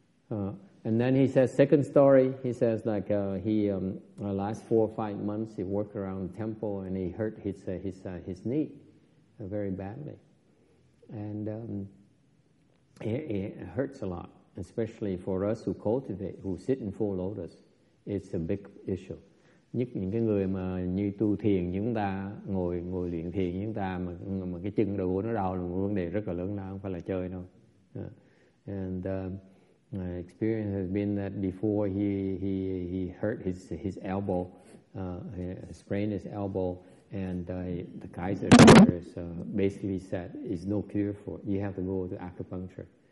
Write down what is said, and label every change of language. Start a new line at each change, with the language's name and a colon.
English: And then he says, second story, he says like the last 4 or 5 months he worked around the temple and he hurt his knee very badly. And it hurts a lot, especially for us who cultivate, who sit in full lotus. It's a big issue.
Vietnamese: Nhất những cái người mà như tu thiền chúng ta ngồi luyện thiền chúng ta mà cái chân đầu nó đau là một vấn đề rất là lớn lao, không phải là chơi đâu.
English: And my experience has been that before he hurt his elbow, sprained his elbow, and the Kaiser doctors basically said there's no cure for it. You have to go to acupuncture.